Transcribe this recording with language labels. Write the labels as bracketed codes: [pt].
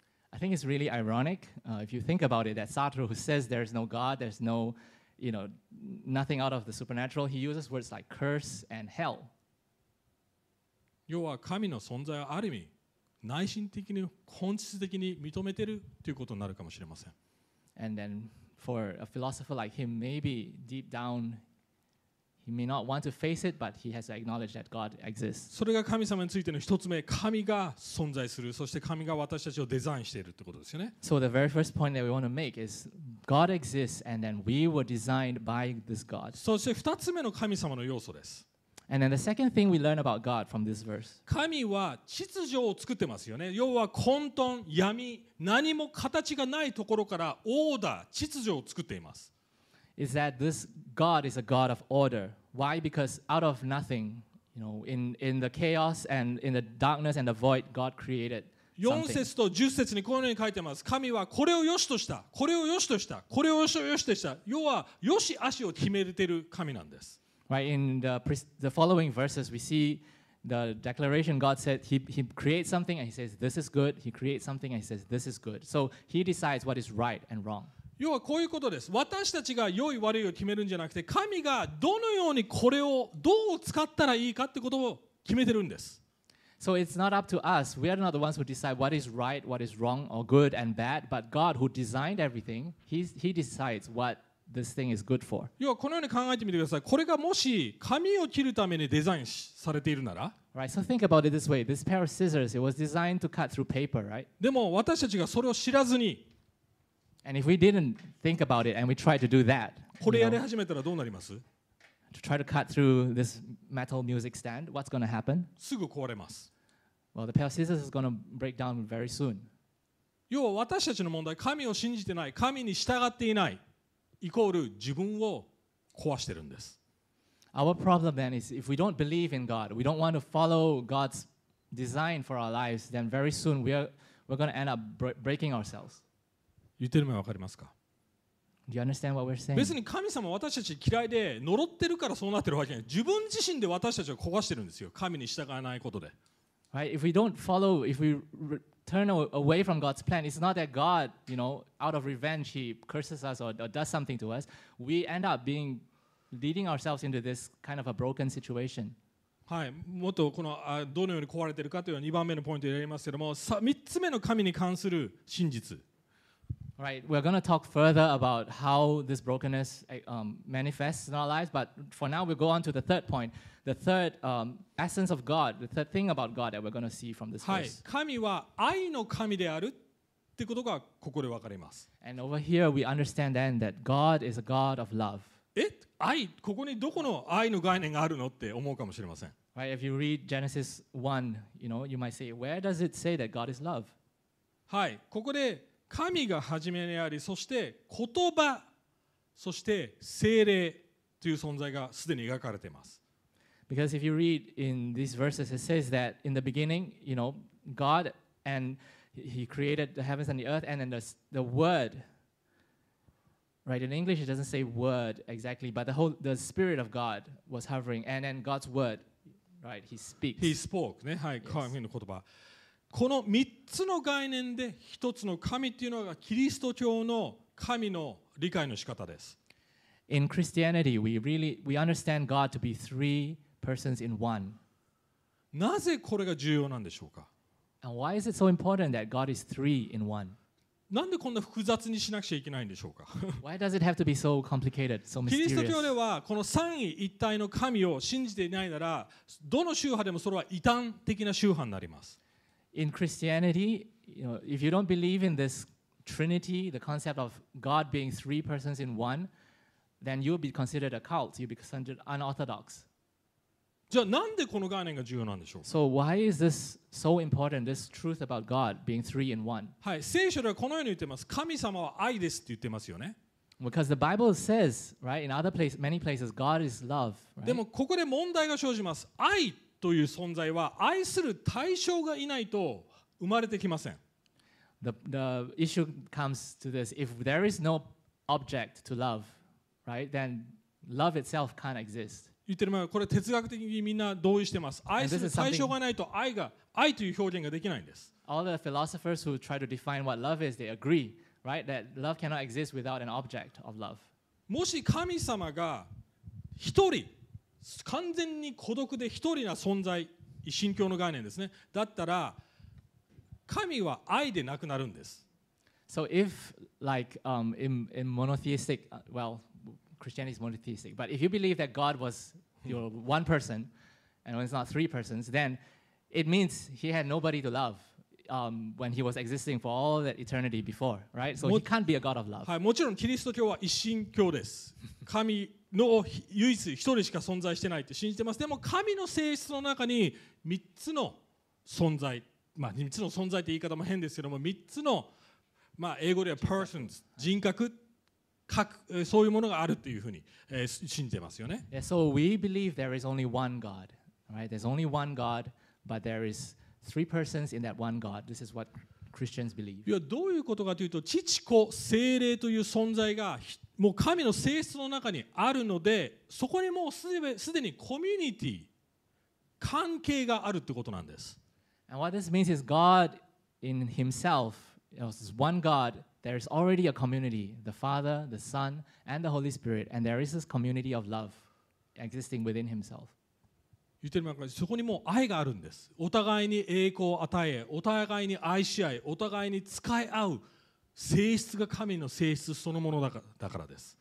[en] I think it's really ironic, if you think about it, that Sartre who says there's no God, there's no... You know, nothing out of the supernatural. He uses words like curse and hell. [ja] 要は神の存在をある意味内心的に本質的に認めているということになるかもしれません。 [en] And then for a philosopher like him, maybe deep down, he may not want to face it, but he has to acknowledge that God exists. [ja] それが神様についての一つ目、神が存在する、そして神が私たちをデザインしているということですよね。 [en] So the very first point that we want to make is. God exists, and then we were designed by this God. [ja] そして二つ目の神様の要素です。 [en] And then the second thing we learn about God from this verse. [ja] 神は秩序を作ってますよね。要は混沌、闇、何も形がないところからオーダー、秩序を作っています。 [en] Is that this God is a God of order? Why? Because out of nothing, you know, in the chaos and in the darkness and the void, God created. [ja] 4節と10節にこのように書いてます。神はこれを良しとした、これを良しとした、これを良しとした。要は良し悪しを決めてる神なんです。 [en] Right, in the following verses, we see the declaration God said he creates something and he says this is good. He creates something and he says this is good. So he decides what is right and wrong. [ja] 要はこういうことです。私たちが良い悪いを決めるんじゃなくて、神がどのようにこれをどう使ったらいいかってことを決めてるんです。 [en] So it's not up to us. We are not the ones who decide what is right, what is wrong, or good and bad. But God, who designed everything, he decides what this thing is good for. [ja] 要はこのように考えてみてください。これがもし髪を切るためにデザインされているなら、 [en] right? So think about it this way. This pair of scissors, it was designed to cut through paper, right? [ja] でも私たちがそれを知らずに、 [en] and if we didn't think about it and we tried to do that, [ja] これやり始めたらどうなります? [en] You know, To try to cut through this metal music stand, what's going to happen? [ja] すぐ壊れます。 [en] Well, the pair of scissors is going to break down very soon. [ja] 要は私たちの問題、神を信じてない、神に従っていない、イコール自分を壊してるんです。 [en] Our problem then is if we don't believe in God, we don't want to follow God's design for our lives, then very soon we're going to end up breaking ourselves. [ja] 言ってる意味わかりますか？ [en] Do you understand what we're saying? [ja] 別に神様は私たち嫌いで呪ってるからそうなってるわけじゃない。自分自身で私たちを壊してるんですよ。神に従わないことで。 [en] Right? If we don't follow, if we turn away from God's plan, it's not that God, you know, out of revenge, he curses us or does something to us. We end up being leading ourselves into this kind of a broken situation. [ja] はい。もっとこのどのように壊れてるかというのは2番目のポイントでやりますけども、3つ目の神に関する真実。 [en] Right, we're going to talk further about how this brokenness manifests in our lives, but for now we'll go on to the third point, the third essence of God, the third thing about God that we're going to see from this verse. [ja] 神は愛の神であるってことがここでわかります。 [en] And over here we understand then that God is a God of love. [ja] 愛、ここにどこの愛の概念があるのって思うかもしれません。 [en] Right, if you read Genesis 1, you know, you might say, where does it say that God is love? [ja] はい、ここで神が初めにあり、そして言葉、そして聖霊という存在がすでに描かれています。 [en] Because if you read in these verses, it says that in the beginning, you know, God and He created the heavens and the earth, and then the Word. Right? In English, it doesn't say Word exactly, but the Spirit of God was hovering, and then God's Word, right? He speaks. He spoke. [ja] ね、はい、神の言葉。この3つの概念で1つの神というのがキリスト教の神の理解の仕方です。 [en] In Christianity, we understand God to be three persons in one. [ja] なぜこれが重要なんでしょうか？ [en] And why is it so important that God is three in one? [ja] なんでこんな複雑にしなくちゃいけないんでしょうか？ [en] Why does it have to be so complicated, so mysterious? [ja] キリスト教ではこの三位一体の神を信じていないなら、どの宗派でもそれは異端的な宗派になります。 [en] In Christianity, you know, if you don't believe in this Trinity, the concept of God being three persons in one, then you'll be considered a cult. You'll be considered unorthodox. [ja] じゃあなんでこの概念が重要なんでしょう。 [en] So why is this so important, this truth about God being three in one? [ja] はい、聖書ではこのように言ってます。神様は愛ですって言ってますよね。 [en] Because the Bible says, right, in other places, many places, God is love. でもここで問題が生じます。愛という存在は愛する対象がいないと生まれてきません。 The issue comes to this. If there is no object to love, right, then love itself can't exist. [ja] 言ってる前はこれ哲学的にみんな同意してます。愛する対象がないと愛という表現ができないんです。 [en] All the philosophers who try to define what love is, they agree, right, that love cannot exist without an object of love. [ja] もし神様が一人完全に孤独で一人な存在、一神教の概念ですね。だったら神は愛でなくなるんです。 [en] So if like in monotheistic, well, Christianity is monotheistic, but if you believe that God was your one person and it's not three persons, then it means he had nobody to love when he was existing for all that eternity before, right? So he can't be a God of love. [ja] はい、もちろんキリスト教は一神教です。神の唯一一人しか存在してないって信じてます。でも神の性質の中に三つの存在、まあ三つの存在って言い方も変ですけども、三つのまあ英語では persons、人格、格、そういうものがあるっていうふうに信じてますよね。 [en] Yeah, so we believe there is only one God, right? There's only one God, but there is three persons in that one God. This is what Christians believe. [ja] いや、どういうことかというと、父子聖霊という存在がもう神の性質の中にあるので、そこにもうすでにコミュニティ、関係があるってことなんです。 [en] And what this means is God in himself, is one God, there is already a community, the Father, the Son, and the Holy Spirit, and there is this community of love existing within himself. [ja] 言ってるのか、そこにもう愛があるんです。お互いに栄光を与え、お互いに愛し合い、お互いに使い合う。性質が神の性質そのものだからです。